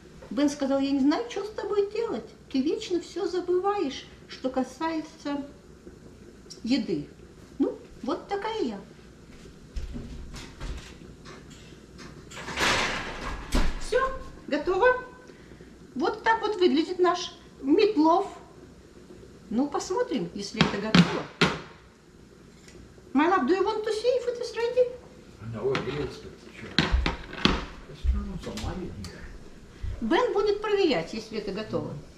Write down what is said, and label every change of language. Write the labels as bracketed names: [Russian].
[Russian] Бен сказал, я не знаю, что с тобой делать. Ты вечно все забываешь, что касается еды. Ну, вот такая я. Все, готово. Вот так вот выглядит наш метлов. Ну, посмотрим, если это готово. [English] My love, do you want to see if it is ready? I know it is, but sure. Let's turn on some light in here. [Russian] Бен будет проверять, если это готово.